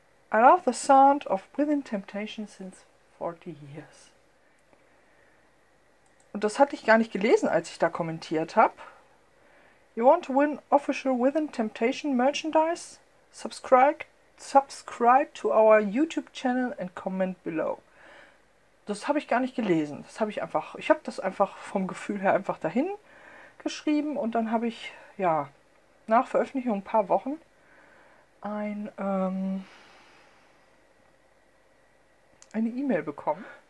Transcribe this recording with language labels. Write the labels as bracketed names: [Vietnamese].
[English] I love the sound of Within Temptation since 40 years. [German] Und das hatte ich gar nicht gelesen, als ich da kommentiert habe. [English] You want to win official Within Temptation merchandise? Subscribe to our YouTube channel and comment below. [German] Das habe ich gar nicht gelesen. Ich habe das einfach vom Gefühl her einfach dahin geschrieben und dann habe ich, ja, nach Veröffentlichung ein paar Wochen eine E-Mail bekommen.